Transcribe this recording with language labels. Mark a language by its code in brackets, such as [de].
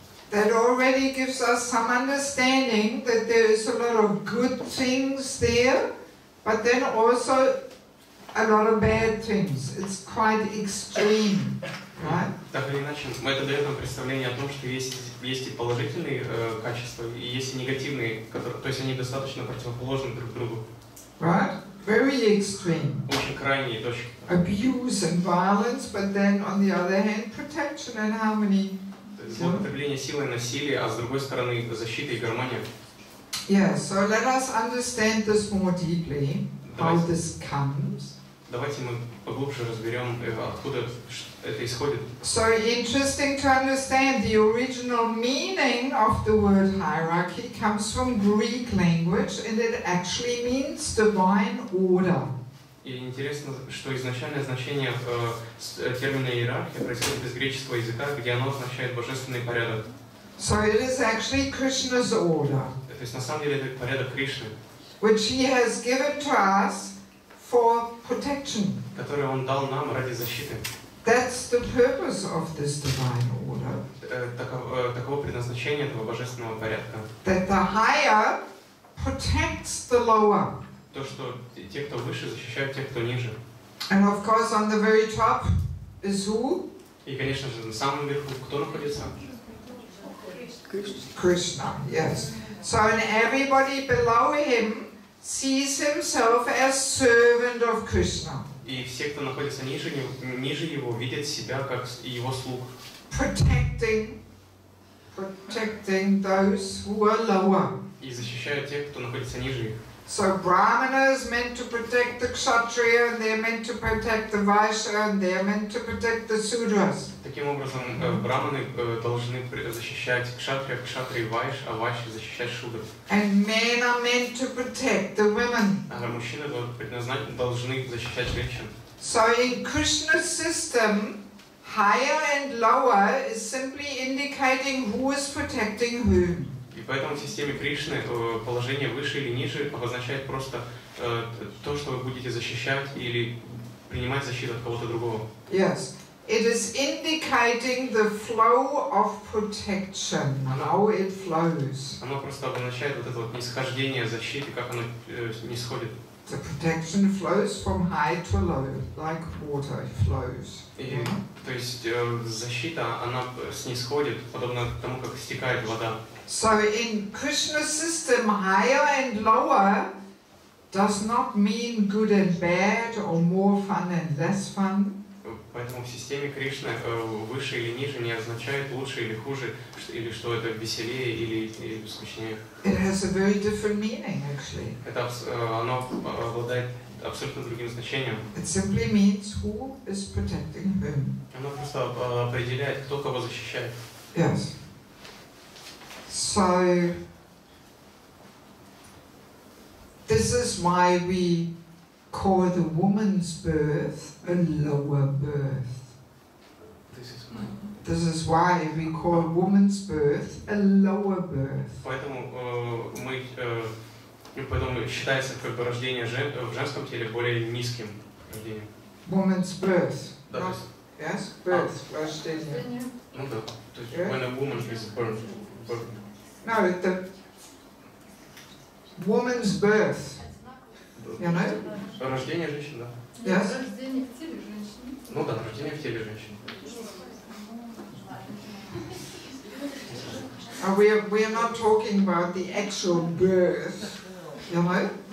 [en] That already gives us some understanding that there is a lot of good things there, but then also a lot of bad things. It's quite extreme, right? [ru] Так или иначе, мы это даем нам представление о том, что есть и положительные качества, и есть и негативные, которые, то есть они достаточно противоположны друг другу. [en] Right? Very extreme. Abuse and violence, but then on the other hand, protection and harmony. [ru] Злоупотребление силой, насилие, а с другой стороны, защита и гармония. [en] Yes, so let us understand this more deeply, how this comes. [ru] Давайте мы поглубже разберем, откуда это исходит. [en] So interesting to understand the original meaning of the word hierarchy comes from Greek language and it actually means divine order. [ru] И интересно, что изначальное значение термина иерархия происходит из греческого языка, где оно означает божественный порядок. [en] So it is actually Krishna's order. [ru] То есть на самом деле это порядок Кришны. [en] Which he has given to us for protection. [ru] Который он дал нам ради защиты. [en] That's the purpose of this divine order. [ru] Таково предназначение этого божественного порядка. [en] That the higher protects the lower. [ru] То, что те, кто выше, защищают тех, кто ниже. [en] And of course, on the very top is who? [ru] И, конечно же, на самом верху кто находится? [en] Krishna, yes. So, and everybody below him sees himself as servant of Krishna. [ru] И все, кто находится ниже его, видят себя как его слуг. [en] Protecting those who are lower. [ru] И защищают тех, кто находится ниже их. [en] So brahmanas meant to protect the kshatriya, and they're meant to protect the vaishya, and they're meant to protect the sudras. [ru] Таким образом, брахманы должны защищать кшатрию вайш, а вайши защищать шудры. [en] And men are meant to protect the women. [ru] А мужчины должны защищать женщин. [en] So in Krishna's system, higher and lower is simply indicating who is protecting whom. [ru] И поэтому в системе Кришны положение выше или ниже обозначает просто то, что вы будете защищать или принимать защиту от кого-то другого. [en] Yes. It is indicating the flow of protection, how it flows. [ru] Оно просто обозначает вот это вот нисхождение защиты, как оно нисходит. [en] The protection flows from high to low, like water flows. [ru] То есть защита, она снисходит, подобно тому, как стекает вода. [en] So in Krishna's system, higher and lower does not mean good and bad or more fun and less fun. [ru] Поэтому в системе Кришны выше или ниже не означает лучше или хуже, или что это веселее или скучнее. [en] It has a very different meaning, actually. [ru] Это оно обладает абсолютно другим значением. [en] It simply means who is protecting whom. [ru] Оно просто определяет, кто кого защищает. [en] Yes. So this is why we call the woman's birth a lower birth. This is why we call woman's birth a lower birth. [ru] Поэтому считается как бы рождение в женском теле более низким рождением. [en] Woman's birth. [ru] Да. [en] Yes. Birth. Рождение. [ru] Ну да. [en] When a woman is born. No, the woman's birth. You know? [ru] Рождение женщин, да. [en] Yes. [ru] Рождение в теле женщины. Ну да, рождение в теле женщины. [en] We are not talking about the actual birth, you know?